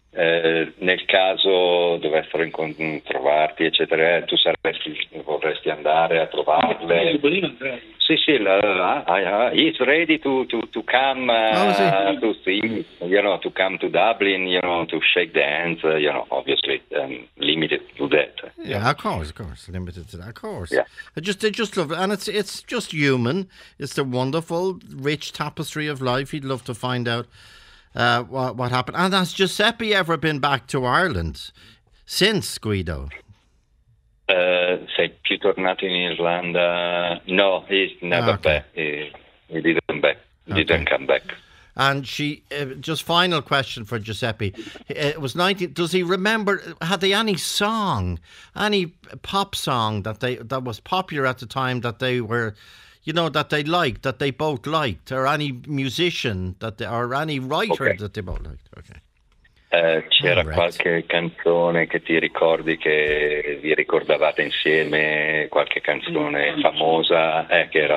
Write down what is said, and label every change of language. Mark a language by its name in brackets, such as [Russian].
[Italian] Nel caso dovessero trovarti, eccetera, tu vorresti andare a trovarle? [English] He's ready to come to come to Dublin, to shake the hands, obviously limited to that. Of course. Yeah. I just love it, and it's just human. It's the wonderful, rich tapestry of life. He'd love to find out. What happened? And has Giuseppe ever been back to Ireland since, Guido? [Italian] Più tornato in Irlanda? No, [English] he's never back. He didn't back. He didn't come back. And she, just final question for Giuseppe. It was 19. Does he remember? Had they any song, any pop song that was popular at the time that they were? That they liked, that they both liked, or any musician or any writer that they both liked. Okay. [Italian] C'era qualche canzone che ti ricordi, che vi ricordavate insieme, qualche canzone famosa che era